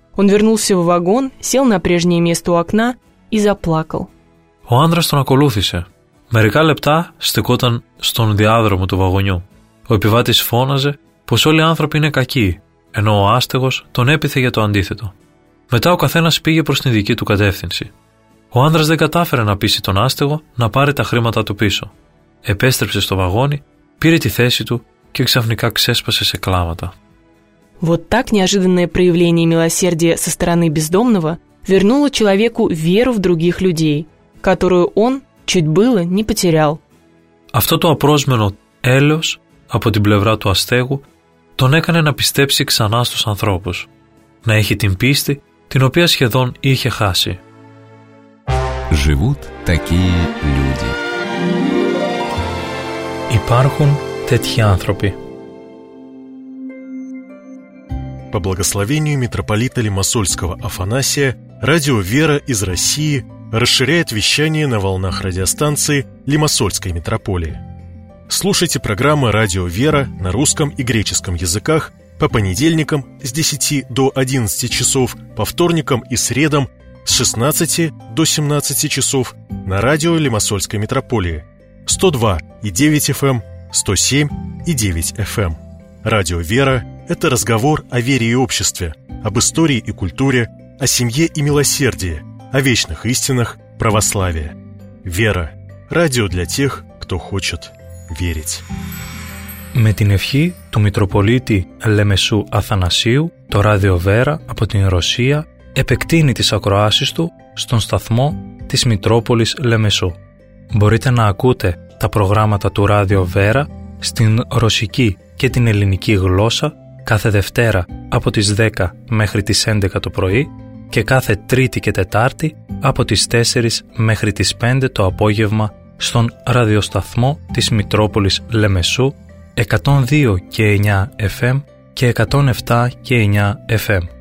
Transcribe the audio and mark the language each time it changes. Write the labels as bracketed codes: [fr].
[ru] Он вернулся в вагон, сел на прежнее место у окна и заплакал. [el] Ο άντρας τον ακολούθησε. Μερικά λεπτά στεκόταν στον διάδρομο του βαγονιού. Ο επιβάτης φώναζε πως όλοι οι άνθρωποι είναι κακοί, ενώ ο άστεγος τον έπειθε για το αντίθετο. Μετά ο καθένας πήγε προς την δική του κατεύθυνση. Ο άντρας δεν κατάφερε να πείσει τον άστεγο να πάρει τα χρήματα του πίσω. Επέστρεψε στο βαγόνι, πήρε τη θέση του και ξαφνικά ξέσπασε σε κλάματα. [ru] Вот так неожиданное проявление милосердия со стороны бездомного вернуло человеку веру в других людей, которую он чуть было не потерял. [el] Αυτό το απρόσμενο έλεος από την πλευρά του αστέγου τον έκανε να πιστέψει ξανά στους ανθρώπους. Να έχει την πίστη την οποία σχεδόν είχε χάσει. [ru] Живут такие люди. [el] Υπάρχουν τέτοιοι άνθρωποι. [ru] По благословению митрополита Лимассольского Афанасия, радио «Вера» из России расширяет вещание на волнах радиостанции Лимассольской митрополии. Слушайте программы «Радио «Вера» на русском и греческом языках по понедельникам с 10 до 11 часов, по вторникам и средам с 16 до 17 часов на радио Лимассольской митрополии 102.9 FM, 107.9 FM. Радио «Вера» — это разговор о вере и обществе, об истории и культуре, о семье и милосердии, о вечных истинах православия. «Вера» — радио для тех, кто хочет верить. [el] Με την ευχή του Μητροπολίτη Λεμεσού Αθανασίου, το Ράδιο Βέρα από την Ρωσία επεκτείνει τις ακροάσεις του στον σταθμό της Μητρόπολης Λεμεσού. Μπορείτε να ακούτε τα προγράμματα του Ράδιο Βέρα στην ρωσική και την ελληνική γλώσσα κάθε Δευτέρα από τις 10 μέχρι τις 11 το πρωί και κάθε Τρίτη και Τετάρτη από τις 4 μέχρι τις 5 το απόγευμα στον ραδιοσταθμό της Μητρόπολης Λεμεσού 102 και 9 FM και 107 και 9 FM.